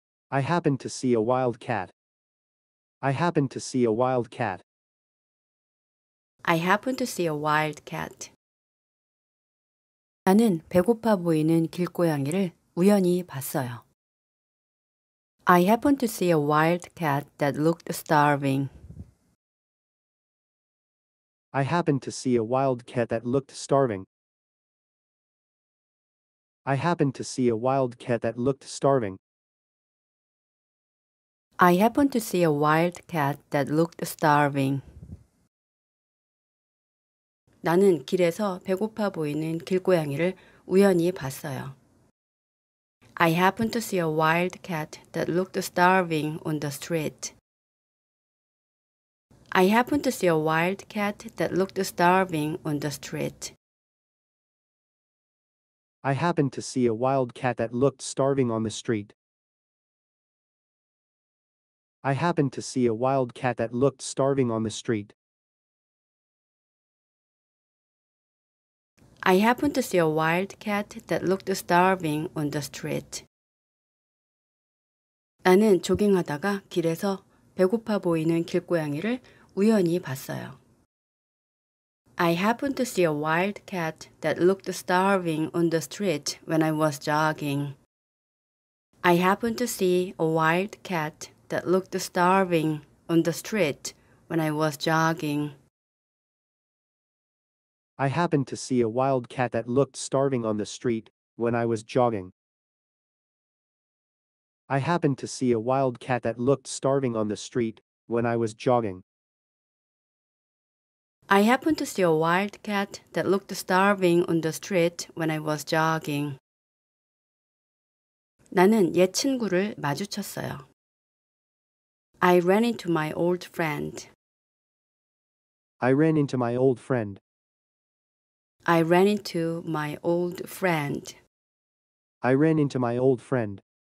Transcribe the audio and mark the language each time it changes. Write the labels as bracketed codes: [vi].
[en] I happened to see a wild cat. I happened to see a wild cat. I happened to see a wild cat. [ko] 나는 배고파 보이는 길고양이를 우연히 봤어요. [en] I happened to see a wild cat that looked starving. I happened to see a wild cat that looked starving. I happened to see a wild cat that looked starving. I happened to see a wild cat that looked starving. [ko] 나는 길에서 배고파 보이는 길고양이를 우연히 봤어요. [en] I happened to see a wild cat that looked starving on the street. I happened to see a wild cat that looked starving on the street. I happened to see a wild cat that looked starving on the street. I happened to see a wild cat that looked starving on the street. I happened to see a wild cat that looked starving on the street. [ko] 나는 조깅하다가 길에서 배고파 보이는 길고양이를 우연히 봤어요. [en] I happened to see a wild cat that looked starving on the street when I was jogging. I happened to see a wild cat that looked starving on the street when I was jogging. I happened to see a wild cat that looked starving on the street when I was jogging. I happened to see a wild cat that looked starving on the street when I was jogging. I happened to see a wild cat that looked starving on the street when I was jogging. [ko] 나는 옛 친구를 마주쳤어요. [en] I ran into my old friend. I ran into my old friend. I ran into my old friend. I ran into my old friend.